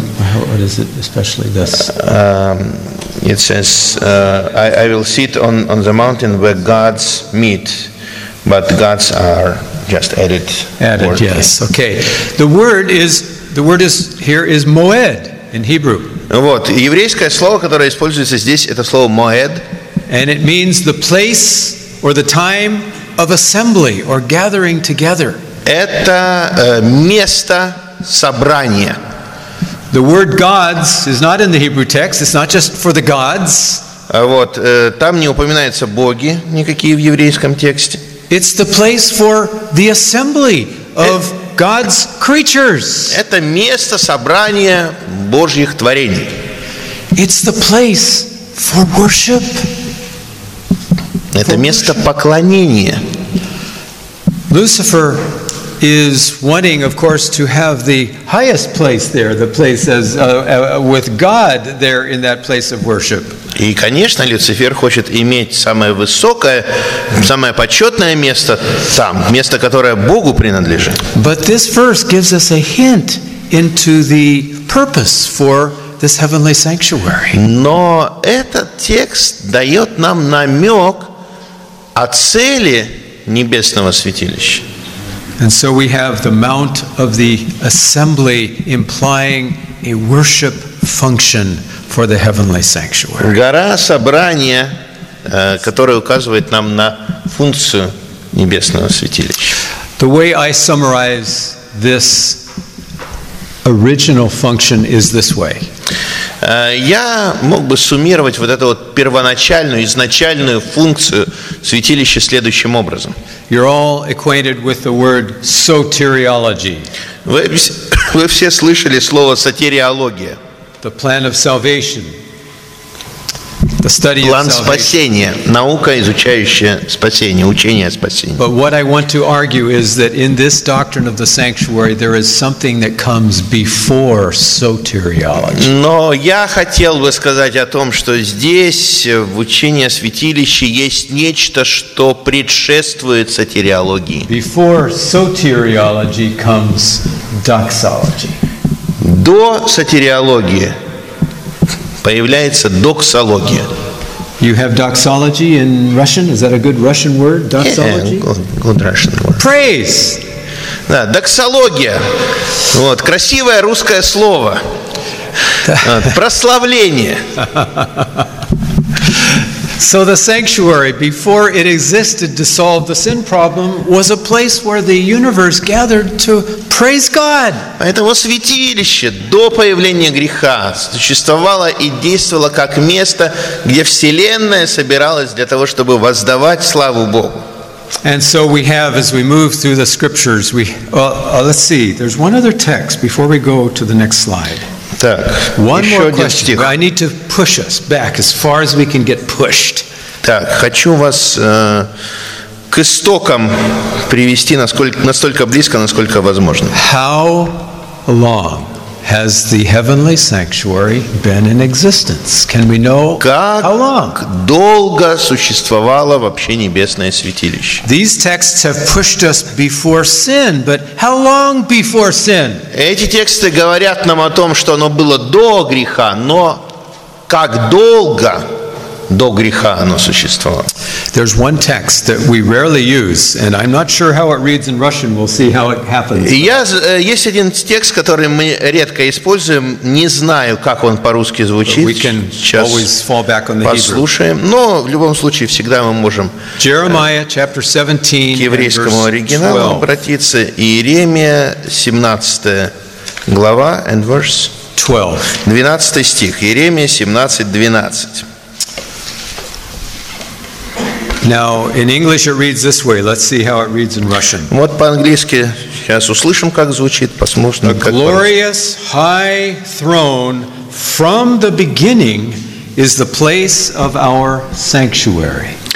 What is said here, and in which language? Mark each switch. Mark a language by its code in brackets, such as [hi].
[en] What is it especially this? It says, I will sit on the mountain where gods meet, but gods are just added. Added, word. Yes. Okay. The word here is moed in Hebrew. [ru] Вот, еврейское слово, которое используется здесь, это слово moed. [en] And it means the place or the time of assembly or gathering together. [ru] Это место собрания. [en] The word gods is not in the Hebrew text. It's not just for the gods. [ru] Вот, там не упоминаются боги никакие в еврейском тексте. [en] It's the place for the assembly of God's creatures. [ru] Это место собрания Божьих творений. [en] It's the place for worship. [ru] Это место поклонения. [en] Lucifer is wanting, of course, to have the highest place there, the place as with God there in that place of worship. [ru] И, конечно, Люцифер хочет иметь самое высокое, самое почетное место там, место, которое Богу принадлежит. [en] But this verse gives us a hint into the purpose for this heavenly sanctuary. [ru] Но этот текст дает нам намек о цели небесного святилища. [en] And so we have the mount of the assembly implying a worship function for the heavenly sanctuary. [ru] Гора собрания, которая указывает нам на функцию небесного святилища. [en] The way I summarize this original function is this way. [ru] Я мог бы суммировать вот эту вот первоначальную, изначальную функцию святилища следующим образом. [en] You're all acquainted with the word soteriology. [ru] Вы все слышали слово сотериология. [en] The plan of salvation. The study of salvation. [ru] План спасения. Наука, изучающая спасение, учение о спасении. [en] But what I want to argue is that in this doctrine of the sanctuary, there is something that comes before soteriology. [ru] Но я хотел бы сказать о том, что здесь, в учении о святилище, есть нечто, что предшествует сотериологии. [en] Before soteriology comes doxology. [ru] До сотериологии появляется доксология. [en] You have doxology in Russian? Is that a good Russian word? Doxology? Yeah, good Russian word. Praise. [ru] Да, доксология. Вот, красивое русское слово. Прославление. [en] So the sanctuary, before it existed to solve the sin problem, was a place where the universe gathered to praise God. [ru] Поэтому святилище до появления греха существовало и действовало как место, где вселенная собиралась для того, чтобы воздавать славу Богу. [en] And so we have, as we move through the scriptures, let's see. There's one other text before we go to the next slide. [ru] Так, [en] one more question. I need to push us back as far as we can get pushed. [ru] Так, хочу вас к истокам привести настолько близко, насколько возможно. [en] How long has the heavenly sanctuary been in existence? Can we know how long? [ru] Как долго существовало вообще небесное святилище? [en] These texts have pushed us before sin, but how long before sin? [ru] Эти тексты говорят нам о том, что оно было до греха, но как долго до греха оно существовало? [en] There's one text that we rarely use, and I'm not sure how it reads in Russian. We'll see how it happens. [ru] Есть один текст, который мы редко используем. Не знаю, как он по-русски звучит. [en] We can always fall back on the Hebrew. [ru] Послушаем. Но в любом случае всегда мы можем [en] Jeremiah chapter 17, [ru] к еврейскому оригиналу обратиться. Иеремия, 17 глава, [en] and verse 12. [ru] 12 стих. Иеремия 17:12. [en] Now in English it reads this way. Let's see how it reads in Russian. [ru] Вот по-английски сейчас услышим, как звучит, посмотрим, как. [en] A glorious high throne from the beginning is the place of our sanctuary.